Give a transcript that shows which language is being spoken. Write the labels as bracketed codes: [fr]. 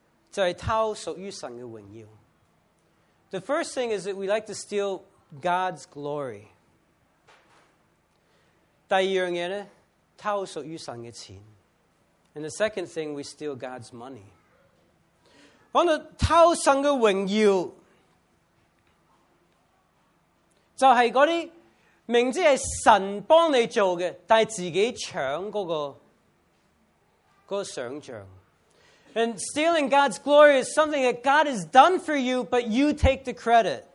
[zh] 就是偷属于神的荣耀. [en] The first thing is that we like to steal God's glory. [zh] 第二样东西呢, [en] And the second thing, we steal God's money. [zh] 偷神的荣耀就是那些明知是神帮你做的但是自己抢那个想象. [en] And stealing God's glory is something that God has done for you, but you take the credit.